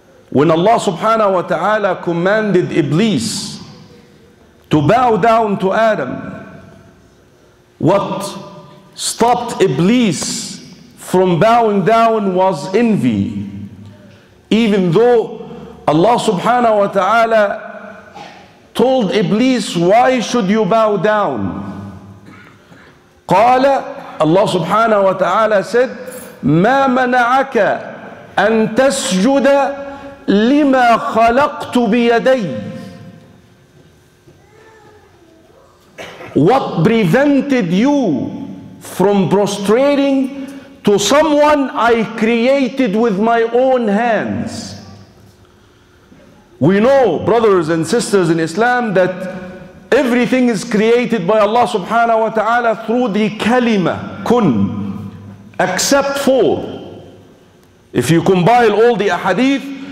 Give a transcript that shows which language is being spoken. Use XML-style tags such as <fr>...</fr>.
<en>When Allah subhanahu wa ta'ala commanded Iblis to bow down to Adam, what stopped Iblis from bowing down was envy. Even though Allah subhanahu wa ta'ala told Iblis, why should you bow down?</en> <ar>قال,</ar> <en>Allah subhanahu wa ta'ala said,</en> <ar>ما منعك أن تسجد لما خلقت بيدي.</ar> <en>What prevented you from prostrating to someone I created with my own hands? We know, brothers and sisters in Islam, that everything is created by Allah subhanahu wa ta'ala through the kalima, kun, except for, if you compile all the ahadith,</en>